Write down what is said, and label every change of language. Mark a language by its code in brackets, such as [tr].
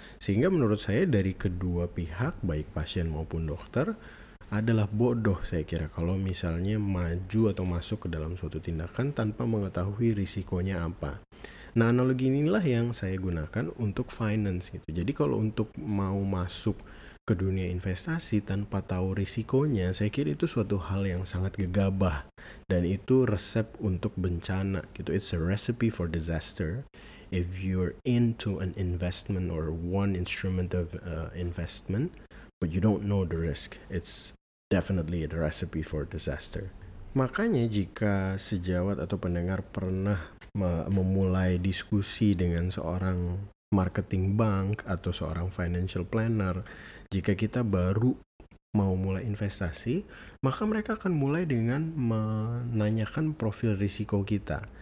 [id] Sehingga menurut saya dari kedua pihak, baik pasien maupun dokter, adalah bodoh saya kira kalau misalnya maju atau masuk ke dalam suatu tindakan tanpa mengetahui risikonya apa. Nah, analogi inilah yang saya gunakan untuk finance gitu. Jadi kalau untuk mau masuk ke dunia investasi tanpa tahu risikonya, saya kira itu suatu hal yang sangat gegabah dan itu resep untuk bencana gitu. [en] It's a recipe for disaster if you're into an investment or one instrument of investment but you don't know the risk. It's definitely a recipe for disaster. [id] Makanya jika sejawat atau pendengar pernah memulai diskusi dengan seorang marketing bank atau seorang financial planner, jika kita baru mau mulai investasi, maka mereka akan mulai dengan menanyakan profil risiko kita.